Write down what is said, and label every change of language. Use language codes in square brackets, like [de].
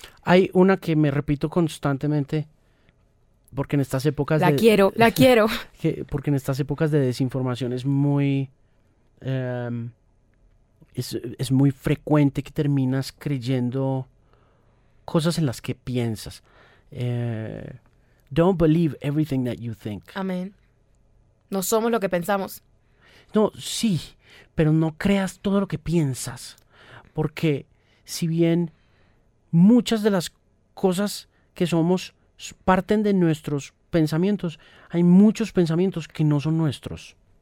[es] Hay una que me repito constantemente porque en estas épocas... La quiero. Porque en estas épocas de desinformación es muy... Es muy frecuente que terminas creyendo cosas en las que piensas. [en] Don't believe everything that you think. [es] Amén. No somos lo que pensamos. No, sí, pero no creas todo lo que piensas. Porque si bien muchas de las cosas que somos parten de nuestros pensamientos, hay muchos pensamientos que no son nuestros.